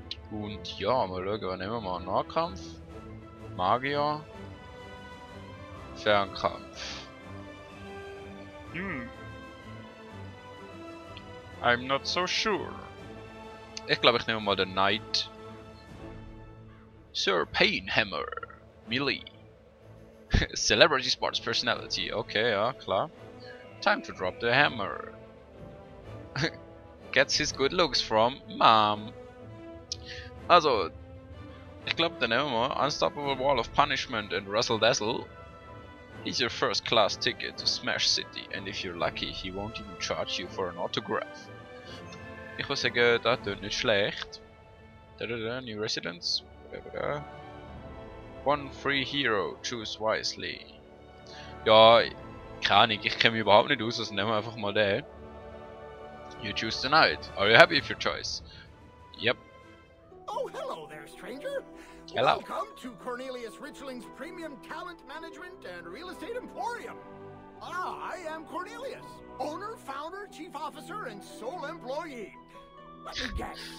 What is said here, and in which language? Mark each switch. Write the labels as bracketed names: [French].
[German] Und ja, mal schauen, wir nehmen mal Nahkampf. Magier. Fernkampf. [English] I'm not so sure. [German] Ich glaube, ich nehme mal den Knight. [English] Sir Painhammer. Melee. Celebrity Sports Personality. [German] Okay, ja, klar. [English] Time to drop the hammer. Gets his good looks from Mom. Also, ich glaube, dann nehmen wir Unstoppable Wall of Punishment and Russell Dazzle. He's your first class ticket to Smash City, and if you're lucky, he won't even charge you for an autograph. [German] Ich muss sagen, das tut nicht schlecht. [English] New residents. One free hero, choose wisely. [German] Ja, keine Ahnung, ich kenne mich überhaupt nicht aus, also nehmen wir einfach mal den. [English] You choose the knight. Are you happy with your choice? Yep. Oh, hello there, stranger. Hello. Welcome to Cornelius Richling's Premium Talent Management and Real Estate Emporium. I am Cornelius, owner, founder, chief officer, and sole employee. Let me guess.